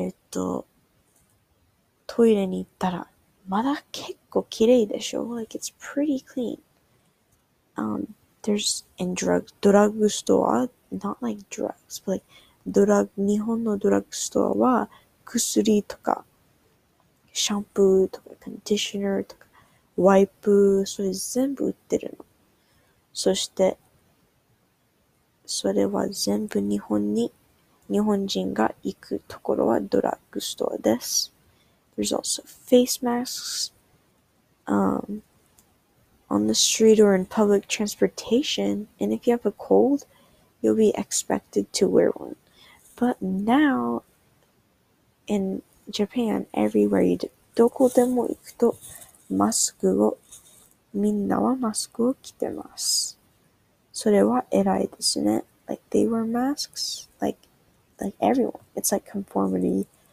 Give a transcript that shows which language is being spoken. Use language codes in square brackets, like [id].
[ja] トイレに行ったら、まだ結構綺麗でしょ? [en] Like, it's pretty clean. There's, and drugs, ドラッグストア, not like drugs, but like, [ja] ドラッグ、日本のドラッグストアは、薬とか、シャンプーとか、コンディショナーとか、ワイプ、それ全部売ってるの。そして、それは全部日本に、日本人が行くところはドラッグストアです。 [en] There's also face masks, on the street or in public transportation. And if you have a cold, you'll be expected to wear one. But now, in Japan, everywhere you [ja] どこでも行くと、マスクを、みんなはマスクを着てます。それは偉いですね。 [en] Like, they wear masks, like everyone. It's like conformity.